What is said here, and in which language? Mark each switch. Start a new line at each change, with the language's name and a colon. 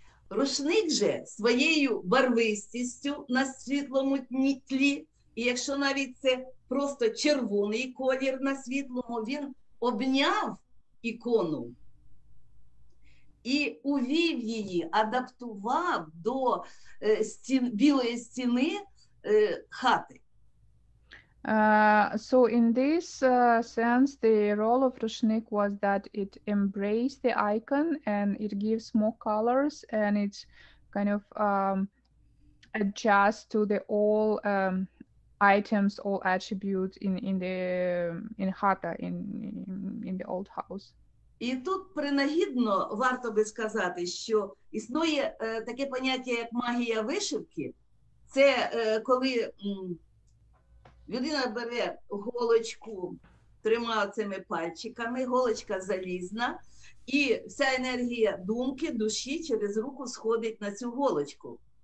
Ukrainian: Рушник же своєю барвистістю на світлому тлі, і якщо навіть це просто червоний колір на світлому, він обняв ікону і увів її, адаптував до білої стіни хати.
English: So in this sense, the role of Rushnik was that it embraced the icon and it gives more colors and it kind of adjusts to the all items, all attributes in хата, in the old house.
Ukrainian: І тут принагідно варто би сказати, що існує таке поняття як магія вишивки. Це коли людина бере голочку трьома цими пальчиками, голочка залізна, і вся енергія думки, душі через руку сходить на цю голочку.